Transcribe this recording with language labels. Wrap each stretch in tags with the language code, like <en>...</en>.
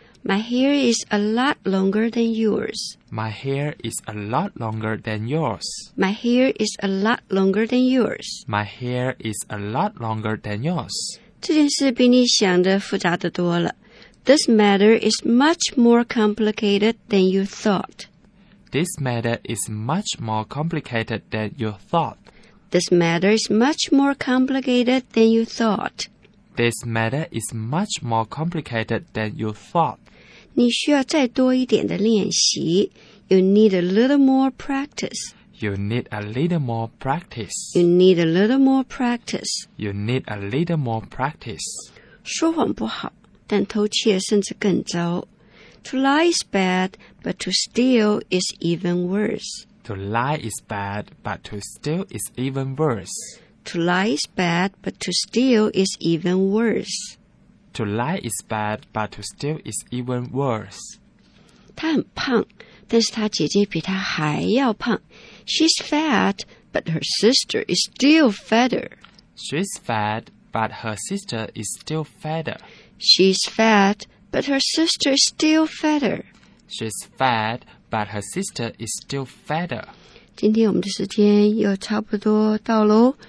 <en>My hair is a lot longer than yours. My hair is a lot longer than yours. My hair is a lot longer than yours. My hair is a lot longer than yours.</en> <zh>这件事比你想的复杂的多了。</zh> <en>This matter is much more complicated than you thought. This matter is much more complicated than you thought. This matter is much more complicated than you thought. This matter is much more complicated than you thought.</en> <zh>你需要再多一点的练习。</zh> <en>You need a little more practice. You need a little more practice. You need a little more practice. You need a little more practice.</en> <zh>说谎不好，但偷窃甚至更糟。</zh> <en>To lie is bad, but to steal is even worse. To lie is bad, but to steal is even worse. To lie is bad, but to steal is even worse. To lie is bad, but to steal is even worse.</en> <zh>她很胖，但是她姐姐比她还要胖。</zh> <en>She's fat, but her sister is still fatter. She's fat, but her sister is still fatter. She's fat, but her sister is still fatter. She's fat. But her sister is still fatter.</en> <zh>今天我们的时间又差不多到喽。</zh>